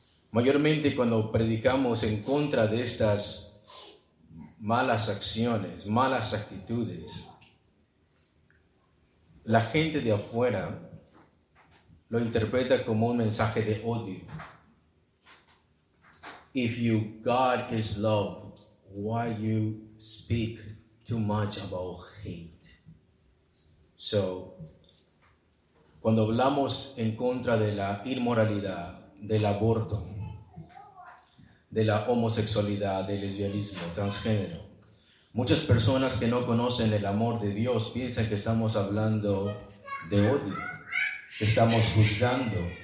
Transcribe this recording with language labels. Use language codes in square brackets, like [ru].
[es] Mayormente cuando predicamos en contra de estas malas acciones, malas actitudes, la gente de afuera lo interpreta como un mensaje de odio. [en] If you, God is love, why you speak too much about hate? So, [es] cuando hablamos en contra de la inmoralidad, del aborto, de la homosexualidad, del lesbianismo, transgénero, muchas personas que no conocen el amor de Dios piensan que estamos hablando de odio, que estamos juzgando